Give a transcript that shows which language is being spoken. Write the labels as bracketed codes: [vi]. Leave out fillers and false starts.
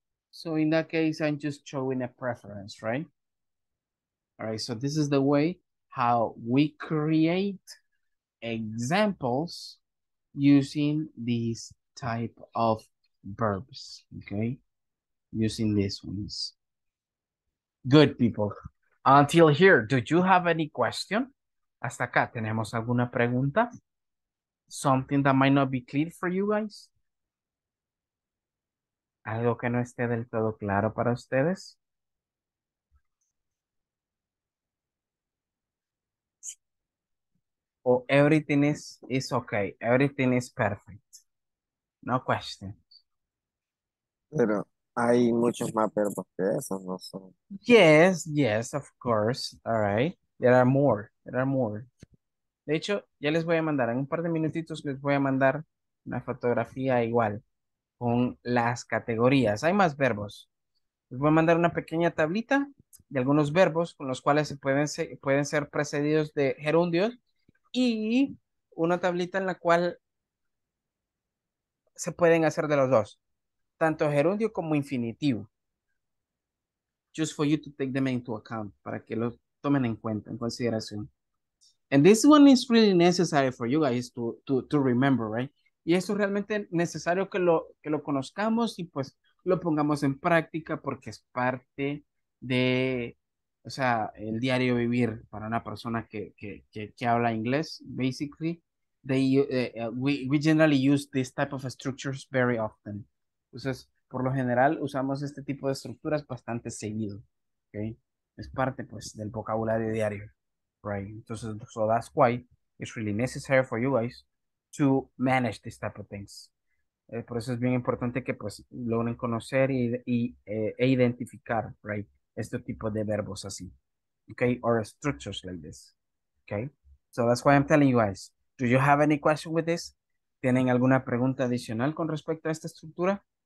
[en] So in that case, I'm just showing a preference, right? All right, so this is the way how we create examples using these type of verbs, okay? Using these ones. Good, people. Until here, do you have any question? Hasta acá, ¿tenemos alguna pregunta? Something that might not be clear for you guys? [es] ¿Algo que no esté del todo claro para ustedes? [en] Or everything is okay. Everything is perfect. No questions. [es] Pero hay muchos más verbos que esos, no son. [en] Yes, yes, of course. All right. There are more. There are more. [es] De hecho, ya les voy a mandar, en un par de minutitos les voy a mandar una fotografía igual con las categorías. Hay más verbos. Les voy a mandar una pequeña tablita de algunos verbos con los cuales pueden ser precedidos de gerundios y una tablita en la cual se pueden hacer de los dos, tanto gerundio como infinitivo. [en] Just for you to take them into account, para que los tomen en cuenta, en consideración. And this one is really necessary for you guys to remember, right? [es] Y eso es realmente necesario que lo conozcamos y pues lo pongamos en práctica porque es parte de, o sea, el diario vivir para una persona que habla inglés. [en] Basically, we generally use this type of structures very often. [es] Entonces, por lo general, usamos este tipo de estructuras bastante seguido, okay? [en] Es parte, pues, del vocabulario diario, right? Entonces, so that's why it's really necessary for you guys to manage this type of things. [es] Por eso es bien importante que, pues, logren conocer e identificar, right, este tipo de verbos así, okay? [en] Or structures like this, okay? So that's why I'm telling you guys, do you have any question with this? [es] ¿Tienen alguna pregunta adicional con respecto a esta estructura?